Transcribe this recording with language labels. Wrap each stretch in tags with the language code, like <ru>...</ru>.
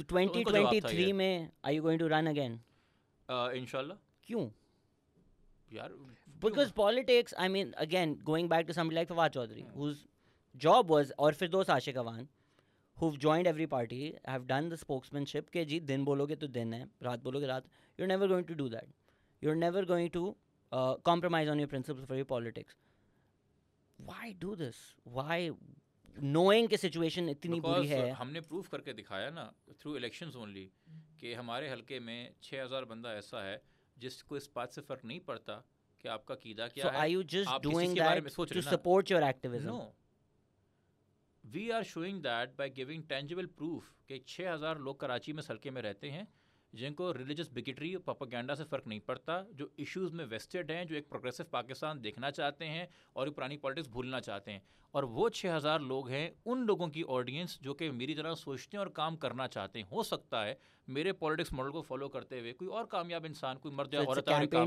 <en>2023 میں are you going to run again?</en> <ur>انشاءاللہ. کیوں یار؟</ur> <en>because politics, I mean again going back to somebody like Fawad Chaudhry whose job was,</en> <ur>اور پھر دوست آشیق Awan</ur> <en>who've joined every party, have done the spokesmanship,</en> <ur>کہ جی دن بولو گے تو دن ہے, رات بولو گے رات.</ur> <en>You're never going to do that. You're never going to compromise on your principles for your politics. Why do this? Why, knowing</en> <ur>کہ situation اتنی بری ہے. ہم نے پروف کر کے دکھایا نا</ur> <en>through elections only</en> <ur>کہ ہمارے حلقے میں 6,000 بندہ ایسا ہے جس کو اس بات سے فرق نہیں پڑتا کہ آپ کا قیدا کیا ہے.</ur> <en>So are you just doing that to support your activism? No. We are showing that by giving tangible proof</en> <ur>کہ 6,000 لوگ کراچی میں سلکے میں رہتے ہیں جن کو ریلیجس بگٹری اور پروپیگنڈا سے فرق نہیں پڑتا, جو ایشوز میں ویسٹڈ ہیں, جو ایک پروگریسو پاکستان دیکھنا چاہتے ہیں اور پرانی پالیٹکس بھولنا چاہتے ہیں. اور وہ 6,000 لوگ ہیں ان لوگوں کی آڈینس جو کہ میری طرح سوچتے ہیں اور کام کرنا چاہتے ہیں. ہو سکتا ہے میرے پالیٹکس ماڈل کو فالو کرتے ہوئے کوئی اور کامیاب انسان, کوئی مرد یا عورت کام</ur>